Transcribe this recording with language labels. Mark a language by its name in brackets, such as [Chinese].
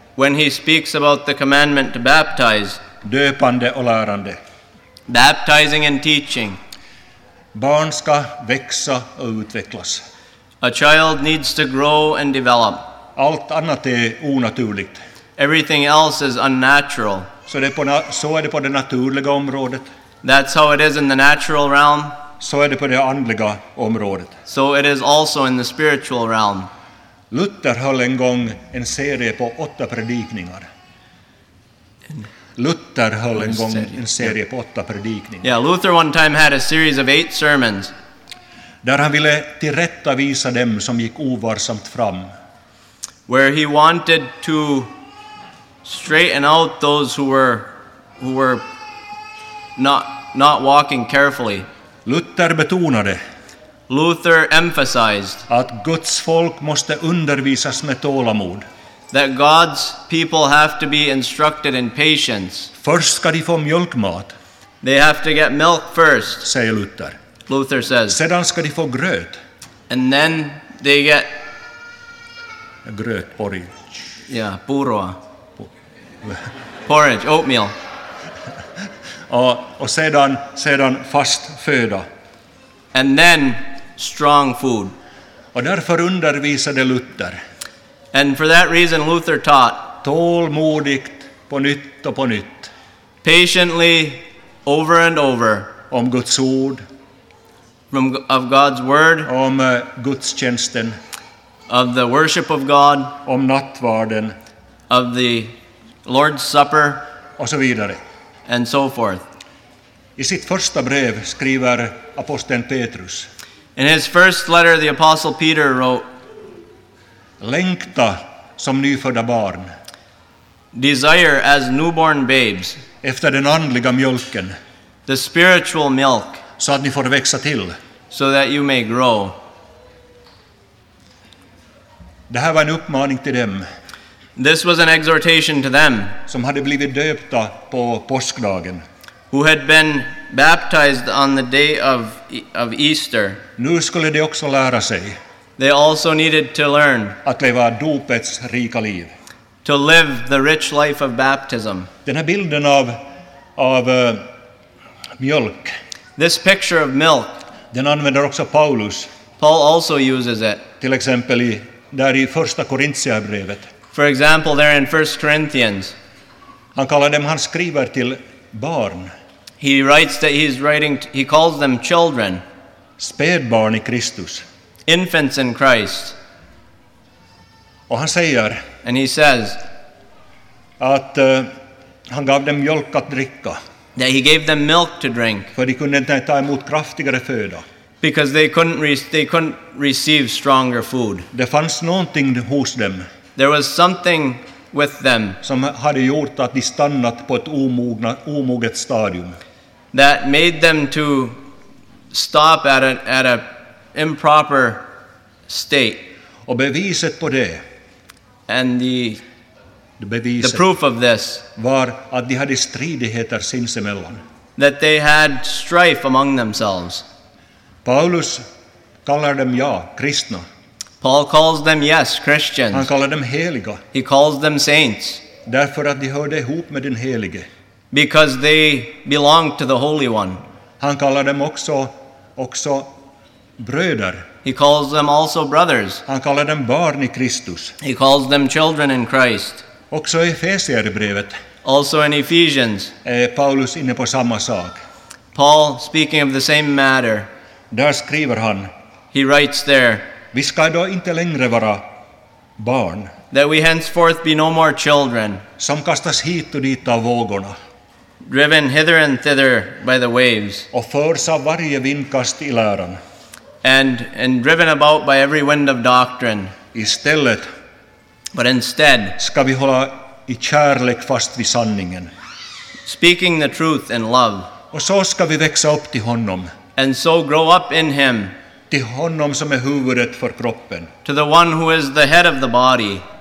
[English] When he speaks about the commandment to baptize. [Swedish] Döpande och lärande. [English] Baptizing and teaching. [Swedish] Barn ska växa och utvecklas. [English] A child needs to grow and develop. [Swedish] Allt annat är onaturligt. [English] Everything else is unnatural. [Swedish] Så är det på det naturliga området. [English] That's how it is in the natural realm. [Swedish] Så är det på det andliga området. [English] So it is also in the spiritual realm. [Swedish] Luther höll en gång en serie på 8 predikningar. Luther höll en gång en serie på 8 predikningar. [English] Yeah, Luther one time had a series of 8 sermons. [Swedish] Där han ville tillrättavisa dem som gick ovarsamt fram. [English] Where he wanted to straighten out those who were not walking carefully. [Swedish] Luther betonade. [English] Luther emphasized [Swedish] att Guds folk måste undervisas med tålamod. [English] That God's people have to be instructed in patience. [Swedish] Först ska de få mjölkmat. [English] They have to get milk first, [Swedish] säger Luther. [English] Luther says. [Swedish] Sedan ska de få gröt. [English] And then they get gröt, porridge. Yeah, puroa. Porridge, oatmeal. [Swedish] Och sedan fast föda. [English] And then strong food. [Swedish] Och därför undervisade Luther. [English] And for that reason Luther taught. [Swedish] Tålmodigt på nytt och på nytt. [English] Patiently over and over. [Swedish] Om Guds ord. [English] Of God's word. [Swedish] Om gudstjänsten. [English] Of the worship of God. [Swedish] Om nattvarden. [English] Of the Lord's supper. [Swedish] Och så vidare. [English] And so forth. [Swedish] I sitt första brev skriver aposteln Petrus. [English] In his first letter the apostle Peter wrote. [Swedish] Längta som nyfödda barn. [English] Desire as newborn babes. [Swedish] Efter den andliga mjölken. [English] The spiritual milk. [Swedish] Så att ni får växa till. [English] So that you may grow. [Swedish] Det här var en uppmaning till dem. [English] This was an exhortation to them. [Swedish] Som hade blivit döpta på påskdagen. [English] Who had been baptized on the day of Easter. [Swedish] Nu skulle de också lära sig. [English] They also needed to learn. [Swedish] Att leva dopets rika liv. [English] To live the rich life of baptism. [Swedish] Den här bilden av mjölk. [English] This picture of milk. [Swedish] Den använder också Paulus. [English] Paul also uses it. [Swedish] Till exempel i första Korintierbrevet. [English] For example, there in 1 Corinthians. [Swedish] Han kallar dem han skriver till barn. [English] He writes that he calls them children. [Swedish] Spädbarn i Kristus. [English] Infants in Christ. [Swedish] Och han säger. [English] And he says. [Swedish] Att han gav dem mjölk att dricka. [English] That he gave them milk to drink. [Swedish] För de kunde inte ta emot kraftigare föda. [English] Because they couldn't receive stronger food. [Swedish] Det fanns någonting hos dem. [English] There was something with them. [Swedish] Som hade gjort att de stannat på ett omoget stadium. [English] That made them to stop at a improper state. [Swedish] Och beviset på det. [English] And the proof of this [Swedish] var att de hade stridigheter sinsemellan. [English] That they had strife among themselves. [Swedish] Paulus kallar dem ja, kristna. [English] Paul calls them yes, Christians. [Swedish] Han kallar dem heliga. [English] He calls them saints. [Swedish] Därför att de hörde ihop med den helige. [English] Because they belong to the Holy One. [Swedish] Han kallar dem också bröder. [English] He calls them also brothers. [Swedish] Han kallar dem barn i Kristus. [English] He calls them children in Christ. [Swedish] Också i Efesierbrevet. [English] Also in Ephesians. [Swedish] Paulus inne på samma sak. [English] Paul speaking of the same matter. [Swedish] Där skriver han. [English] He writes there. [Swedish] Vi ska då inte längre vara barn. [English] That we henceforth be no more children. [Swedish] Som kastas hit och dit av vågorna. [English] Driven hither and thither by the waves. [Swedish] Och förs av varje vindkast i läran. [English] And driven about by every wind of doctrine. [Swedish] Istället. [English] But instead. [Swedish] Ska vi hålla i kärlek fast vid sanningen. [English] Speaking the truth in love. [Swedish] Och så ska vi växa upp till honom. [English] And so grow up in him. [Swedish] Till honom som är huvudet för kroppen. [English] To the one who is the head of the body.